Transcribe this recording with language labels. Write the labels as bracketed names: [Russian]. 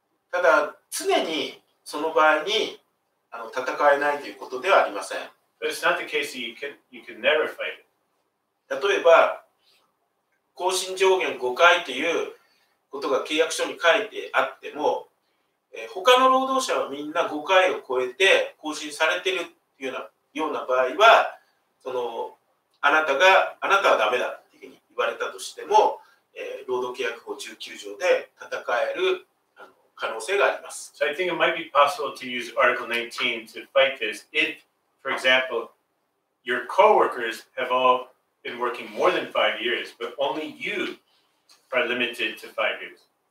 [Japanese] ただ、常にその場合に、戦えないということではありません。 [English] But it's not the case that you can never fight it. [Japanese] 例えば、更新上限5回ということが契約書に書いてあっても、他の労働者はみんな5回を超えて更新されているというような場合は、あなたはダメだというふうに言われたとしても、労働契約法19条で戦える。 [English] So I think it might be possible to use Article 19 to fight this if, for example, your co-workers have all been working more than 5 years, but only you are limited to 5 years.